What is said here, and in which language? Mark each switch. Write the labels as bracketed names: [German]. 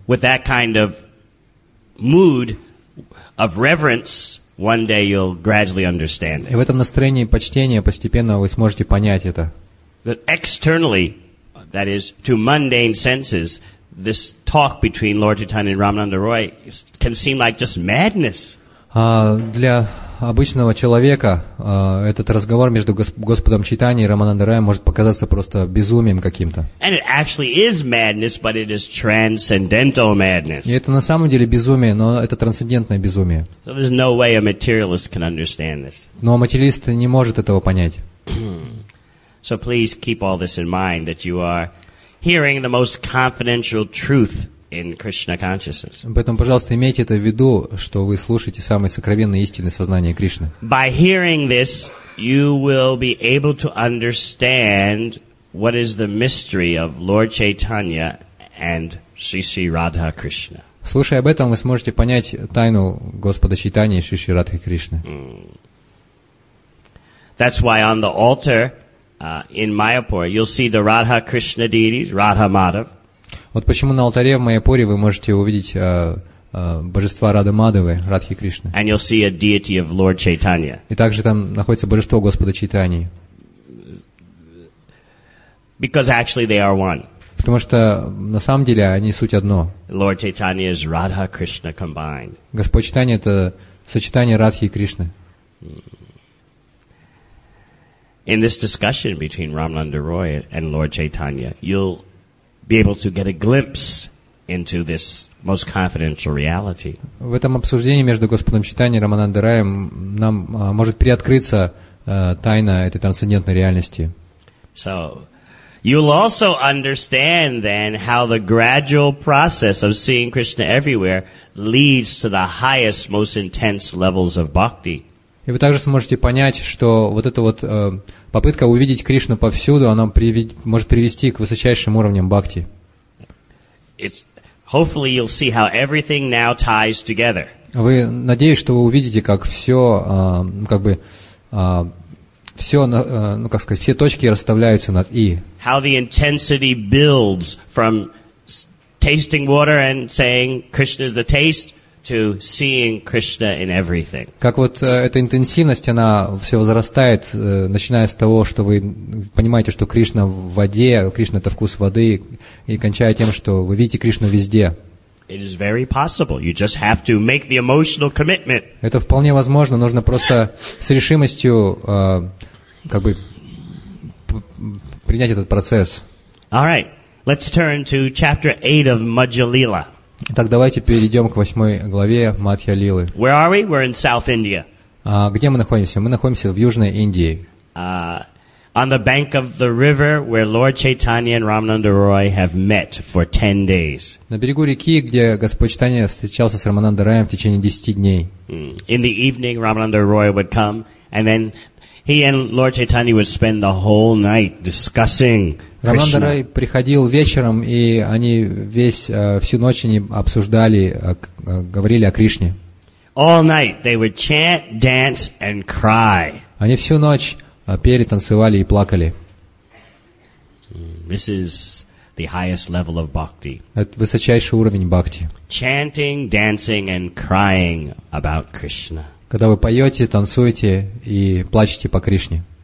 [English] With that kind of mood of reverence, one day you'll gradually understand it. [Russian] И в этом настроении почтения постепенно вы сможете понять это. [English] That externally, that is, to mundane senses, this talk between Lord Chaitanya and Ramananda Roy can seem like just madness. [Russian] Для обычного человека этот разговор между Господом Чайтаньей и Рамананда Роем может показаться просто безумием каким-то. [English] And it actually is madness, but it is transcendental madness. [Russian] И это на самом деле безумие, но это трансцендентное безумие. [English] So there's no way a materialist can understand this. [Russian] Но материалист не может этого понять. [English] So please keep all this in mind, that you are hearing the most confidential truth in Krishna consciousness. [Russian] Поэтому, пожалуйста, имейте это в виду, что вы слушаете самые сокровенные истины сознания Кришны. [English] By hearing this, you will be able to understand what is the mystery of Lord Chaitanya and Sri Sri Radha Krishna. [Russian] Слушая об этом, вы сможете понять тайну Господа Чайтаньи и Шри Шри Радхи Кришны. [English] That's why on the altar in Mayapur, you'll see the Radha Krishna deities, Radha Madhav. [Russian] Вот почему на алтаре в Майяпуре вы можете увидеть божества Рады Мадавы, Радхи Кришны. [English] And you'll see a deity of Lord Chaitanya. [Russian] И также там находится божество Господа Чайтаньи. [English] Because actually they are one. [Russian] Потому что на самом деле они суть одно. [English] Lord Chaitanya is Radha Krishna combined. [Russian] Господь Чайтанья — это сочетание Радхи и Кришны. [English] In this discussion between Ramananda Roy and Lord Chaitanya, you'll be able to get a glimpse into this most confidential reality. [Russian] В этом обсуждении между Господом Чайтаньей и Рамананда Роем нам может приоткрыться тайна этой трансцендентной реальности. [English] So you'll also understand then how the gradual process of seeing Krishna everywhere leads to the highest, most intense levels of bhakti. [Russian] И вы также сможете понять, что вот эта вот попытка увидеть Кришну повсюду, она может привести к высочайшим уровням бхакти. [English] Hopefully you'll see how everything now ties together. [Russian] Вы надеюсь, что вы увидите, как все, как бы, все, ну как сказать, все точки расставляются над и. [English] How the intensity builds from tasting water and saying Krishna is the taste to seeing Krishna in everything. [Russian] Как вот эта интенсивность, она все возрастает, начиная с того, что вы понимаете, что Кришна в воде, Кришна это вкус воды, и кончая тем, что вы видите Кришну везде. [English] It is very possible. You just have to make the emotional commitment. [Russian] Это вполне возможно, нужно просто с решимостью как бы принять этот процесс. [English] All right. Let's turn to chapter 8 of Madhyalila. [Russian] Итак, давайте перейдем к восьмой главе Мадхьялилы. [English] Where are we? We're in South India. [Russian] Где мы находимся? Мы находимся в Южной Индии. [English] On the bank of the river where Lord Chaitanya and Ramananda Roy have met for 10 days. [Russian] На берегу реки, где Господь Чайтанья встречался с Рамананда Роем в течение 10 дней. [English] In the evening, Ramananda Roy would come, and then he and Lord Chaitanya would spend the whole night discussing. [Russian] Рамананда Рай приходил вечером, и они всю ночь они обсуждали, говорили о Кришне. [English] All night they would chant, dance, and cry. [Russian] Они всю ночь пели, танцевали и плакали. [English] This is the highest level of bhakti. [Russian] Это высочайший уровень бхакти. [English] Chanting, dancing, and crying about Krishna. [Russian] Когда вы поете, танцуете и плачете по Кришне.